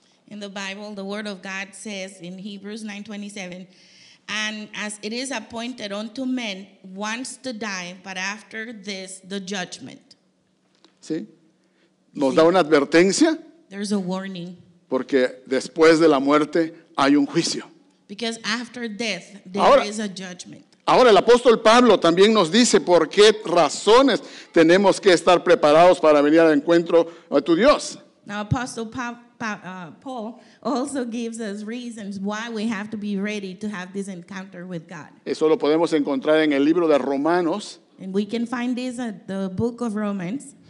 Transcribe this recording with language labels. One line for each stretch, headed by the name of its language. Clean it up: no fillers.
English: In the Bible, the word of God says in Hebrews 9:27. And as it is appointed unto men once to die, but after this, the judgment.
Spanish: ¿Sí? ¿Nos da una advertencia?
English: There's a warning.
Spanish: Porque después de la muerte hay un juicio.
English: Because after death, there
Spanish: ahora,
English: is a judgment.
Spanish: Ahora el apóstol Pablo también nos dice por qué razones tenemos que estar preparados para venir al encuentro a tu Dios.
English: Now Apostle Paul also gives us reasons why we have to be ready to have this encounter with God.
Spanish: Eso lo podemos encontrar en el libro de Romanos.
English: And we can find this at the book of Romans.